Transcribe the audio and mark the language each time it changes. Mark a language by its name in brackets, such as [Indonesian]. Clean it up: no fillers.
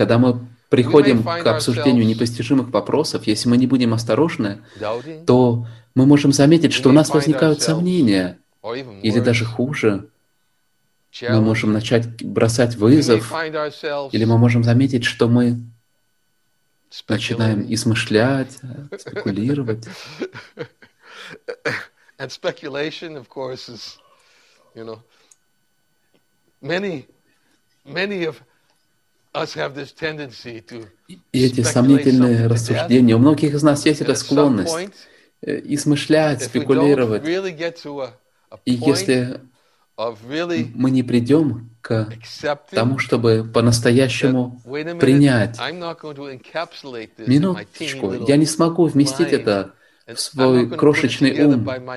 [Russian] Когда мы приходим к обсуждению непостижимых вопросов, если мы не будем осторожны, то мы можем заметить, что у нас возникают сомнения. Или даже хуже, мы можем начать бросать вызов, или мы можем заметить, что мы начинаем измышлять, спекулировать. [English] And speculation, of course, is, you know, many of us have this tendency to [Russian] и эти сомнительные рассуждения, у многих из нас есть эта склонность измышлять, спекулировать. [English] Really get to [Russian] и если мы не придем к тому, чтобы по-настоящему принять, минуточку, я не смогу вместить это в свой крошечный ум.